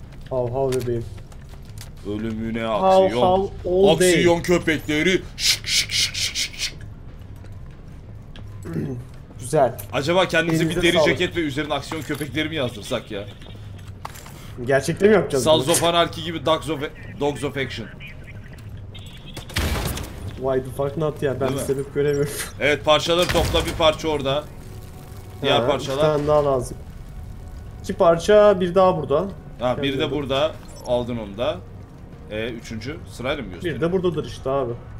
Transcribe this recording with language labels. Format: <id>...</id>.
<tr>Hav hav bebeğim. Ölümüne aksiyon. Hav hav</tr> <en>all day.</en> <tr>Aksiyon köpekleri. Şık şık şık şık şık şık. Güzel. Acaba kendimize bir deri ceket ve üzerine aksiyon köpekleri mi yazdırsak ya? Gerçekten mi yapacağız? Sons of Anarchy gibi Dogs of Action.</tr> <en>Why the fuck not</en> <tr>ya? Ben sebep göremiyorum. Evet, parçaları topla, bir parça orada. Diğer parçalar. İki tane daha lazım. İki parça, bir daha burada. Ha, bir de burada. Aldın onu da. Üçüncü sırayla mı gösterdin? Bir de buradadır işte abi.</tr>